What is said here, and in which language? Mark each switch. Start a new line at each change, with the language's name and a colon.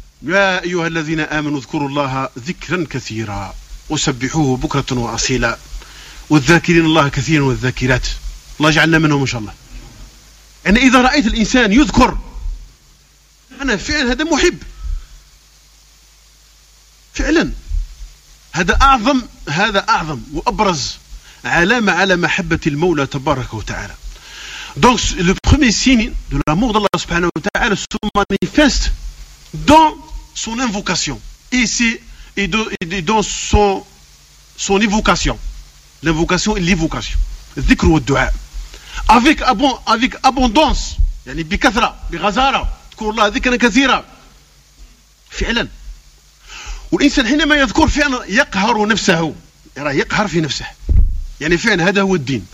Arabic: يا أيها الذين آمنوا اذكروا الله ذكرا كثيرا وسبحوه بكرة وأصيلا والذاكرين الله كثيرا والذاكرات. الله يجعلنا منهم إن شاء الله. يعني إذا رأيت الإنسان يذكر، أنا فعلا هذا محب، فعلا هذا أعظم وأبرز علامة على محبة المولى تبارك وتعالى.
French: Donc le premier signe de l'amour d'Allah
Arabic: سبحانه وتعالى
French: se manifeste dans son invocation et dans son évocation, l'invocation et l'évocation.
Arabic: الذكر والدعاء
French: افيك ابوندونس
Arabic: يعني بكثره بغزاره تذكر الله ذكرا كثيرا فعلا. والانسان حينما يذكر فعلا يقهر نفسه راه يقهر في نفسه يعني فعلا هذا هو الدين.